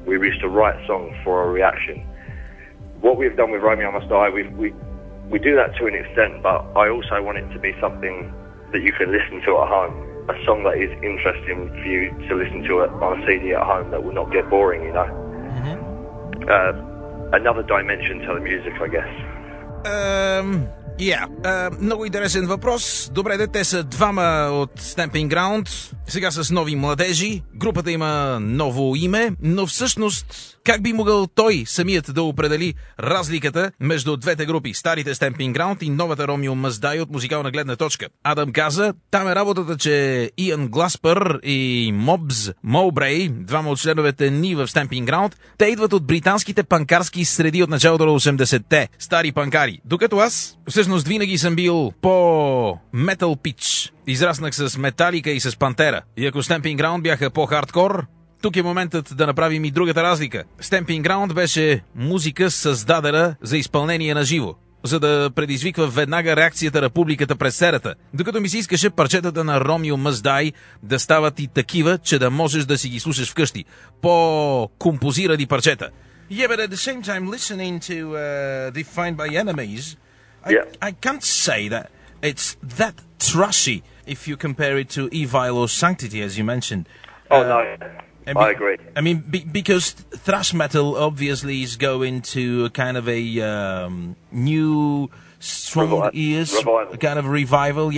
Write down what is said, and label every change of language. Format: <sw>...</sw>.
<en>We used to write songs for a reaction. What we've done with Romeo Must Die, we do that to an extent, but I also want it to be something that you can listen to at home. A song that is interesting for you to listen to it on a CD at home that will not get boring, you know? Mm-hmm. Another dimension to the music, I guess. Yeah.</en> <bg>Много интересен въпрос. Добре, де, те са двама от Stamping Ground. Сега с нови младежи. Групата има ново име, но всъщност как би могъл той самият да определи разликата между двете групи, старите Stamping Ground и новата Romeo Must Die от музикална гледна точка? Адам каза, там е работата, че Иън Гласпър и Мобз Моубрей, двама от членовете ни в Stamping Ground, те идват от британските панкарски среди от началото на 80-те. Стари панкари. Докато аз, всъщност винаги съм бил по Metal Pitch. Израснах с Металика и с Пантера. И ако Stamping Ground бяха по-хардкор, тук е моментът да направим и другата разлика. Stamping Ground беше музика създадена за изпълнение на живо, за да предизвиква веднага реакцията на публиката през серата. Докато ми се искаше парчетата на Romeo Must Die да стават и такива, че да можеш да си ги слушаш вкъщи. По-композирани парчета.</bg> <en>Yeah, but at the same time, listening to Defined by Enemies, I can't say that it's that trashy if you compare it to Evil or Sanctity, as you mentioned. I agree. I mean, because thrash metal obviously is going to a kind of a new strong ears, kind of revival.</en>